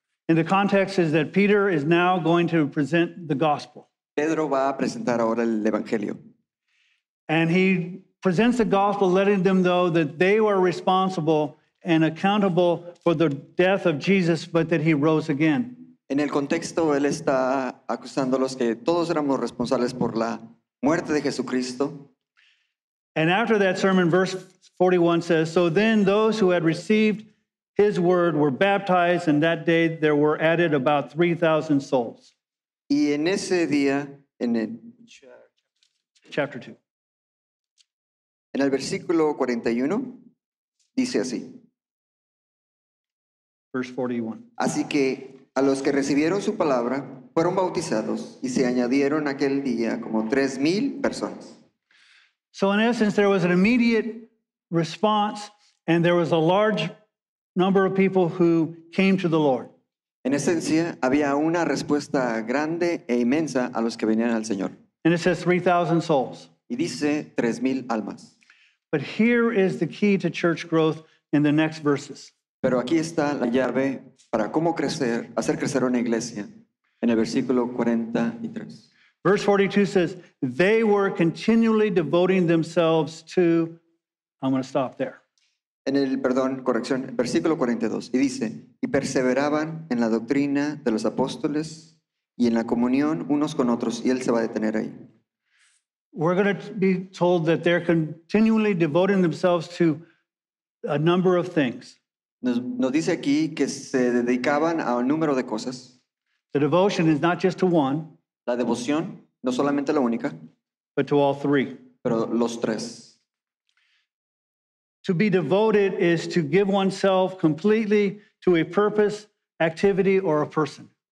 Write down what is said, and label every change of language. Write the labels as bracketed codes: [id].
[en] And the context is that Peter is now going to present the gospel. [es] Pedro va a presentar ahora el evangelio. [en] And he presents the gospel, letting them know that they were responsible and accountable for the death of Jesus, but that he rose again. [es] En el contexto, él está acusándolos que todos éramos responsables por la muerte de Jesucristo. [en] And after that sermon, verse 41 says, so then those who had received his word were baptized, and that day there were added about 3,000 souls. [es] Y en ese día, en el... [en] Chapter 2. [es] En el versículo 41, dice así. [en] Verse 41. [es] Así que a los que recibieron su palabra fueron bautizados y se añadieron aquel día como 3,000 personas. [en] So in essence, there was an immediate response and there was a large number of people who came to the Lord. [es] En esencia, había una respuesta grande e inmensa a los que venían al Señor. [en] And it says 3,000 souls. [es] Y dice 3,000 almas. [en] But here is the key to church growth in the next verses. [es] Pero aquí está la llave para cómo crecer, hacer crecer una iglesia en el versículo 43. [en] Verse 42 says, they were continually devoting themselves to, I'm going to stop there. [es] En el, perdón, corrección, versículo 42, y dice, y perseveraban en la doctrina de los apóstoles y en la comunión unos con otros, y él se va a detener ahí. [en] We're going to be told that they're continually devoting themselves to a number of things. [es] Nos dice aquí que se dedicaban a un número de cosas. [en] The devotion is not just to one. [es] La devoción, no solamente la única. [en] But to all three. [es] Pero los tres. [en] To be devoted is to give oneself completely to a purpose, activity, or a person.